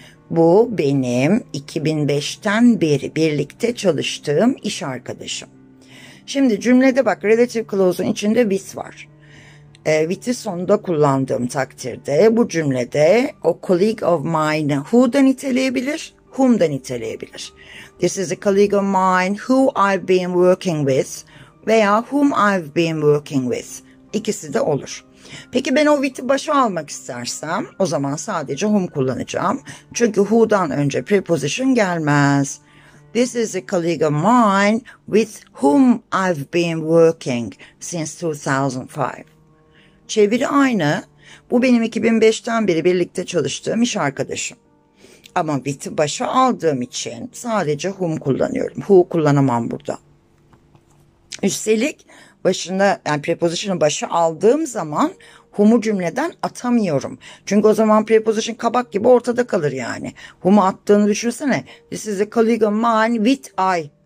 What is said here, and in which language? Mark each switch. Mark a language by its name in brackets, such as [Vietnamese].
[Turkish] Bu benim 2005'ten beri birlikte çalıştığım iş arkadaşım. Şimdi cümlede bak relative clause'un içinde with var. With'i sonunda kullandığım takdirde bu cümlede o [English] colleague of mine'ı [Turkish] who'dan niteleyebilir, whom'dan niteleyebilir. [English] This is a colleague of mine who I've been working with veya whom I've been working with. [Turkish] İkisi de olur. Peki ben o with'i başa almak istersem o zaman sadece whom kullanacağım. Çünkü who'dan önce preposition gelmez. [English] This is a colleague of mine with whom I've been working since 2005. [Turkish] Çeviri aynı. Bu benim 2005'ten beri birlikte çalıştığım iş arkadaşım. Ama with'i başa aldığım için sadece whom kullanıyorum. Who kullanamam burada. Üstelik başında yani preposition'ı başa aldığım zaman whom'u cümleden atamıyorum. Çünkü o zaman preposition kabak gibi ortada kalır yani. Whom'u attığını düşünsene. [English] This is a colleague of mine with I.